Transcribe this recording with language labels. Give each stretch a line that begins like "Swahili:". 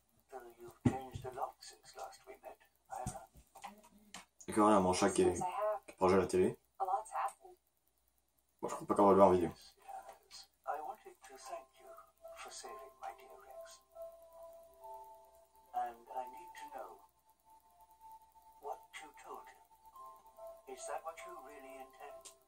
English: Though you've changed a lot since last we met, Ira.
French: D'accord, un manchat qui projette à la télé.
English: A lot's happened.
French: Bon, je crois pas qu'on va le voir en vidéo.
English: Yes, yes. I wanted to thank you for saving my dear Rex. And I need to know what you told him. Is that what you really intend?